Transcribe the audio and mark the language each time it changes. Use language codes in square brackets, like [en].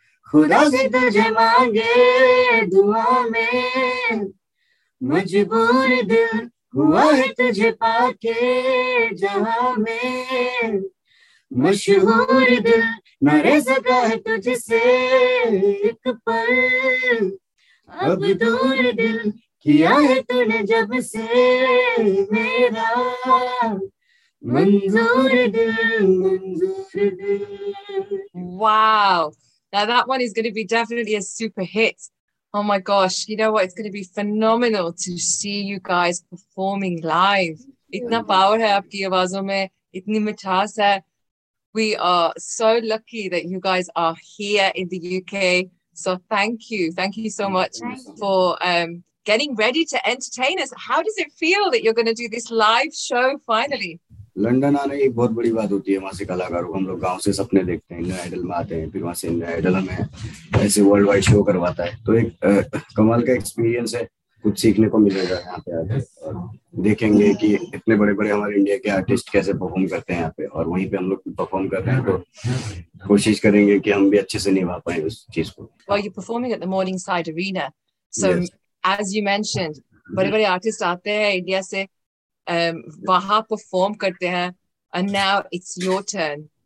[hi] खुदा से तुझे मांगे दुआ में मजबूर दिल हुआ है तुझे पाके, जहां में मशहूर दिल न रह सका है तुझसे एक पल. अब दूर दिल किया है तूने जब से मेरा मंजूर दिल मंजूर दिल. [en] Wow, now that one is going to be definitely a super hit. Oh my gosh, you know what? It's going to be phenomenal to see you guys performing live. [hi] Itna power hai aapki awazon mein, itni mithas hai. [en] We are so lucky that you guys are here in the UK. So thank you. Thank you so much for getting ready to entertain us. How does it feel that you're going to do this live show finally? [hi] London आने एक बहुत बड़ी बात होती है, वहाँ से कलाकारों को हम लोग गांव से सपने देखते हैं, इंडियन आइडल में आते हैं, फिर वहाँ से इंडियन आइडल हमें ऐसे वर्ल्ड वाइड शो करवाता है तो एक कमाल का एक्सपीरियंस है, कुछ सीखने को मिलेगा यहाँ पे आके. देखेंगे कि इतने बड़े बड़े हमारे इंडिया के आर्टिस्ट कैसे परफॉर्म करते हैं यहाँ पे, और वहीं पे हम लोग परफॉर्म करते हैं, तो कोशिश करेंगे कि हम भी अच्छे से निभा पाए उस चीज को. [en] Well, you're performing at the Morningside Arena. So, yes. As you mentioned, [hi] बड़े बड़े आर्टिस्ट आते हैं इंडिया से, वहां परफॉर्म करते हैं, [en] and now it's your turn.